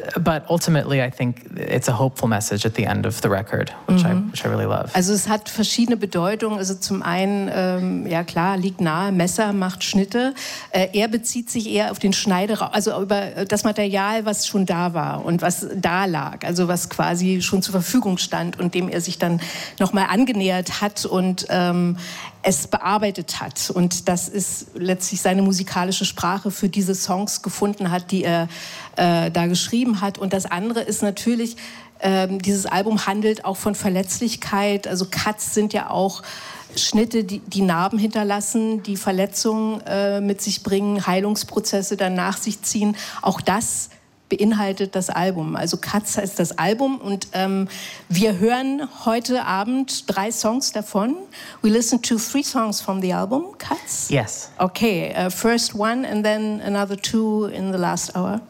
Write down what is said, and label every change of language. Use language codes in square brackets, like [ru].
[en] But ultimately, I think it's a hopeful message at the end of the record, which I really love. [de] Also es hat verschiedene Bedeutungen. Also zum einen, ja klar, liegt nahe, Messer macht Schnitte. Er bezieht sich eher auf den Schneideraum, also über das Material, was schon da war und was da lag, also was quasi schon zur Verfügung stand und dem er sich dann nochmal angenähert hat und es bearbeitet hat. Und das ist letztlich seine musikalische Sprache für diese Songs gefunden hat, die er da geschrieben hat. Und das andere ist natürlich, dieses Album handelt auch von Verletzlichkeit. Also Cuts sind ja auch Schnitte, die Narben hinterlassen, die Verletzungen mit sich bringen, Heilungsprozesse dann nach sich ziehen. Auch das beinhaltet das Album. Also Cuts heißt das Album, und wir hören heute Abend drei Songs davon. [en] We listen to three songs from the album, Cuts? Yes. Okay, first one and then another two in the last hour?